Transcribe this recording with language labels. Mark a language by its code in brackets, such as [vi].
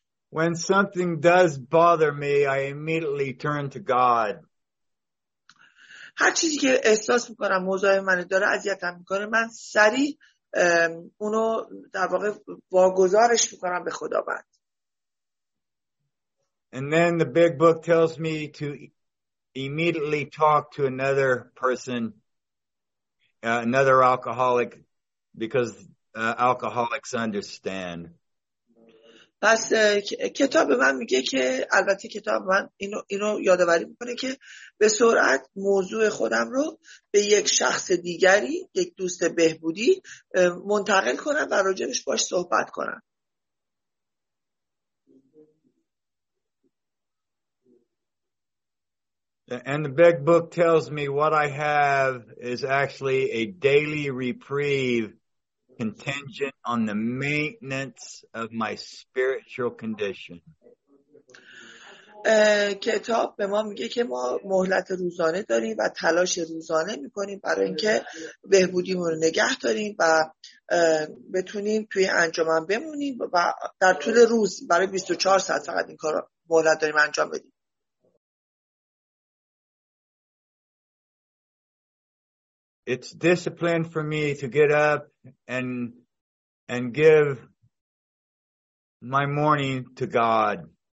[en] When something does bother me, I immediately turn to God. [fa] هر چیزی که احساس میکنم مزاحم منه داره اذیتم میکنه، من سریع اونو در واقع واگذارش میکنم به خداوند. [en] And then the big book tells me to immediately talk to another person, another alcoholic, because alcoholics understand. [fa] پس کتاب من میگه که البته کتاب من اینو یادآوری میکنه که به سرعت موضوع خودم رو به یک شخص دیگری، یک دوست بهبودی منتقل کنم و راجعش باش صحبت کنم. [en] And the big book tells me what I have is actually a daily reprieve contingent on the maintenance of my spiritual condition. [fa] کتاب به ما میگه که ما مهلت روزانه داریم و تلاش روزانه میکنیم برای اینکه بهبودیمون رو نگه داریم و بتونیم توی انجمن بمونیم و در طول روز برای 24 ساعت فقط این کار مهلت داریم انجام بدیم. [en] It's discipline for me to get up and give my morning to God.